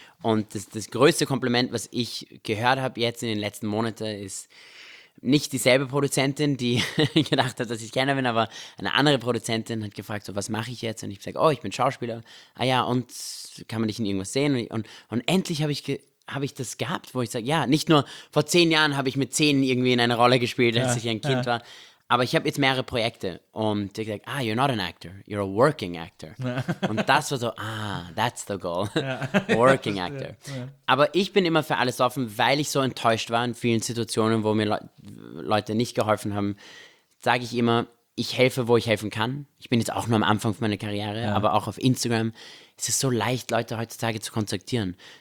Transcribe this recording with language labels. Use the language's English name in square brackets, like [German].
[German] Und das größte Kompliment, was ich gehört habe jetzt in den letzten Monaten, ist, nicht dieselbe Produzentin, die gedacht hat, dass ich keiner bin, aber eine andere Produzentin hat gefragt, so, was mache ich jetzt? Und ich sage, ich bin Schauspieler. Ah ja, und kann man dich in irgendwas sehen? Und endlich habe ich das gehabt, wo ich sage, ja, nicht nur vor 10 Jahren habe ich mit 10 irgendwie in einer Rolle gespielt, als ich ein Kind war, aber ich habe jetzt mehrere Projekte. Und die gesagt, [English] you're not an actor, you're a working actor. [German] Und das war so, [English] that's the goal, working actor. [German] Aber ich bin immer für alles offen, weil ich so enttäuscht war in vielen Situationen, wo mir Leute nicht geholfen haben, sage ich immer, ich helfe, wo ich helfen kann. Ich bin jetzt auch nur am Anfang meiner Karriere, aber auch auf Instagram. Es ist so leicht, Leute heutzutage zu kontaktieren.